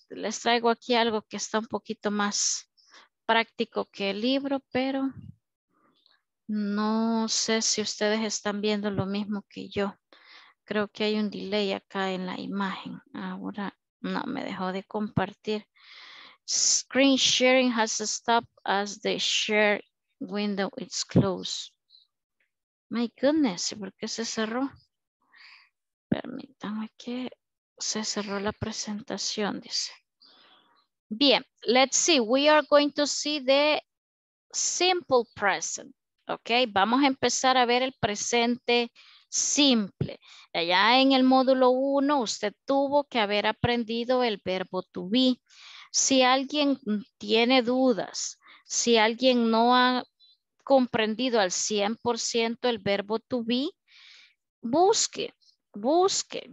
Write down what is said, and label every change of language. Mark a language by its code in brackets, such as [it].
[es] Les traigo aquí algo que está un poquito más práctico que el libro, pero no sé si ustedes están viendo lo mismo que yo. Creo que hay un delay acá en la imagen. Ahora no me dejó de compartir. [en] Screen sharing has stopped as the share window is closed. My goodness, [es] ¿por qué se cerró? Permítanme que se cerró la presentación, dice. [en] Bien, let's see. We are going to see the simple present. [es] Ok, vamos a empezar a ver el presente simple. Allá en el módulo 1 usted tuvo que haber aprendido el verbo to be. Si alguien tiene dudas, si alguien no ha comprendido al 100% el verbo to be, busque, busque.